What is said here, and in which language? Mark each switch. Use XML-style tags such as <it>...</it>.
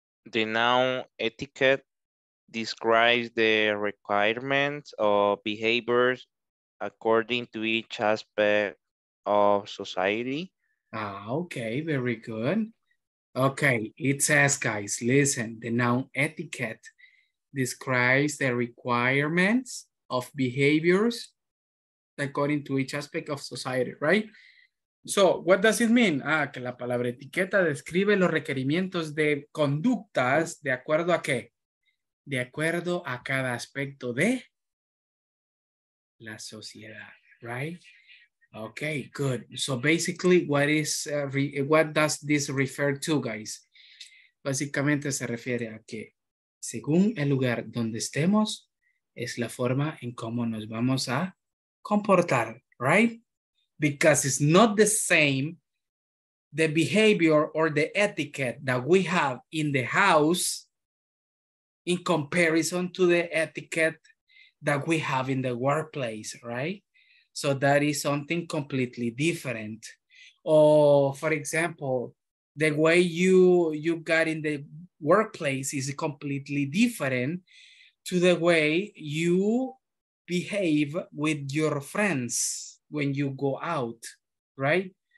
<en>The noun etiquette describes the requirements of behaviors according to each aspect of society. Ah, okay, very good. Okay, it says, guys, listen, the noun etiquette describes the requirements of behaviors according to each aspect of society, right? So, what does it mean?</en> <es>Ah, que la palabra etiqueta describe los requerimientos de conductas, ¿de acuerdo a qué? De acuerdo a cada aspecto de la sociedad,</es> <en>right? Okay, good. So, basically, what does this refer to, guys?</en> <es>Básicamente se refiere a que según el lugar donde estemos, es la forma en cómo nos vamos a comportar,</es> <en>right? Because it's not the same, the behavior or the etiquette that we have in the house in comparison to the etiquette that we have in the workplace, right? So that is something completely different. Or for example, the way you got in the workplace is completely different to the way you behave with your friends when you go out, right?</en>